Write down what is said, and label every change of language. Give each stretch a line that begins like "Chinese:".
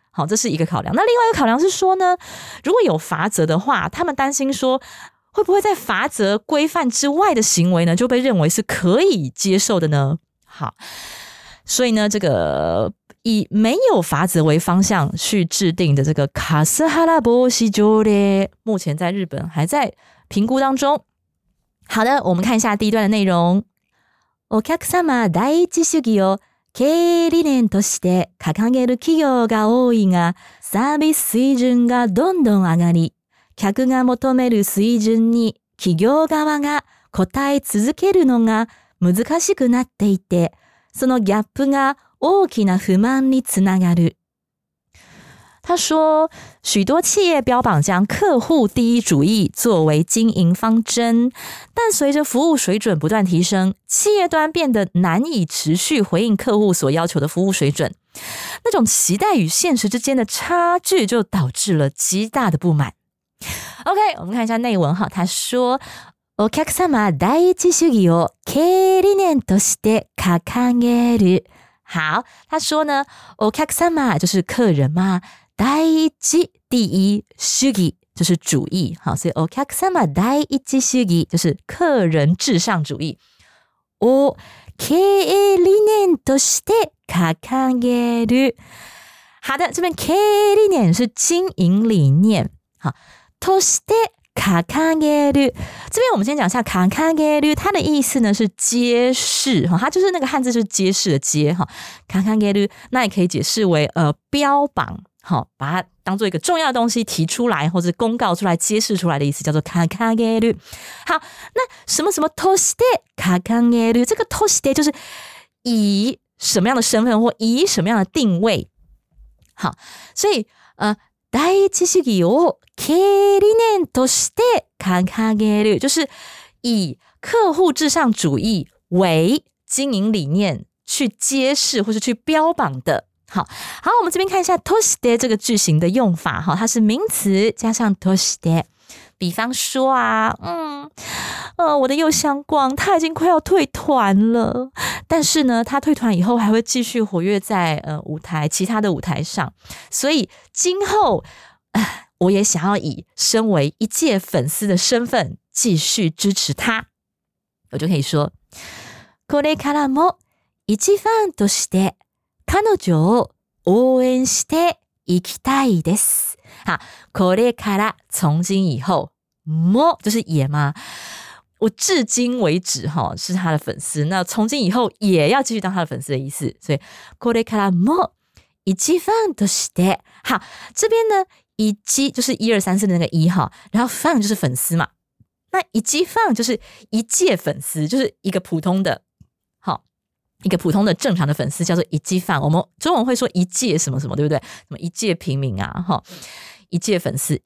Chinese: 好，这是一个考量。那另外一个考量是说呢，如果有罚则的话，他们担心说会不会在罚则规范之外的行为呢就被认为是可以接受的呢。好，所以呢，这个以没有罚则为方向去制定的这个卡斯哈拉波西就列目前在日本还在评估当中。好的，我们看一下第一段的内容。
Japanese: お客様第一主義を経営理念として掲げる企業が多いが、サービス水準がどんどん上がり、客が求める水準に企業側が応え続けるのが難しくなっていて、そのギャップが大きな不満につながる。
Chinese: 他说，许多企业标榜将客户第一主义作为经营方针，但随着服务水准不断提升，企业端变得难以持续回应客户所要求的服务水准，那种期待与现实之间的差距就导致了极大的不满。OK， 我们看一下内文哈，他说，
Japanese: お客様第一主義を経営理念として掲げる。
Chinese: 好，他说呢，お客様就是客人嘛，第一主義就是主义，好，所以
Japanese: お客様第一主義
Chinese: 就是客人至上主义。
Japanese: お経営理念として掲げる。
Chinese: 好的，这边経営理念是经营理念，好，
Japanese: として掲げる。
Chinese: 这边我们先讲一下掲げる，它的意思呢是揭示，它就是那个汉字就是揭示的揭，掲げる，那也可以解释为标榜，把它当做一个重要的东西提出来，或者公告出来，揭示出来的意思叫做掲げる。好，那什么什么
Japanese: として掲げる，
Chinese: 这个として就是以什么样的身份或以什么样的定位。好，所以
Japanese: 第一主義を経営理念として掲げる，
Chinese: 就是以客户至上主义为经营理念去揭示或是去标榜的。好，我们这边看一下として这个句型的用法，它是名词加上として。比方说啊，我的右相光他已经快要退团了，但是呢，他退团以后还会继续活跃在舞台其他的舞台上，所以今后我也想要以身为一届粉丝的身份继续支持他，我就可以说
Japanese: これからも一ファンとして彼女を応援していきたいです。
Chinese: 好，
Japanese: これから
Chinese: 从今以后も就是也吗？我至今为止哈是他的粉丝，那从今以后也要继续当他的粉丝的意思。所以
Japanese: これからも一ファンとして，
Chinese: 好，这边呢一就是一二三四的那个一哈，然后ファン就是粉丝嘛，那一ファン就是一届粉丝，就是一个普通的。一个普通的正常的粉丝叫做一届粉，我们中文会说一届什么什么，对不对？什么一届平民啊，哈，一届粉丝，